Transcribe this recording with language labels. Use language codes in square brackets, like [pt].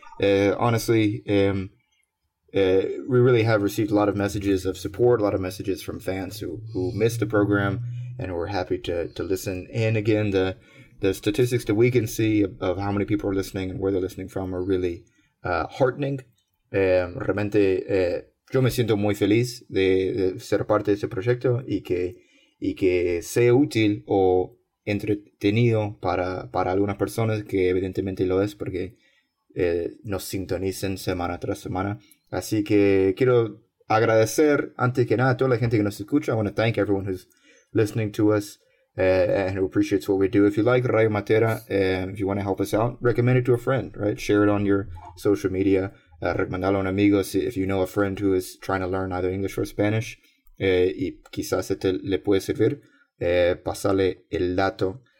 [en] Honestly, we really have received a lot of messages of support, a lot of messages from fans who missed the program and who are happy to listen. And again, the statistics that we can see of how many people are listening and where they're listening from are really heartening. [es] Realmente, yo me siento muy feliz de ser parte de este proyecto y que sea útil o entretenido para algunas personas, que evidentemente lo es porque nos sintonicen semana tras semana. Así que quiero agradecer antes que nada a toda la gente que nos escucha. [en] I want to thank everyone who's listening to us and who appreciates what we do. If you like Rayo Matera, if you want to help us out, recommend it to a friend, right? Share it on your social media. [es] Recomendarlo a un amigo [en] if you know a friend who is trying to learn either English or Spanish, [es] y quizás este le puede servir, pasarle el dato.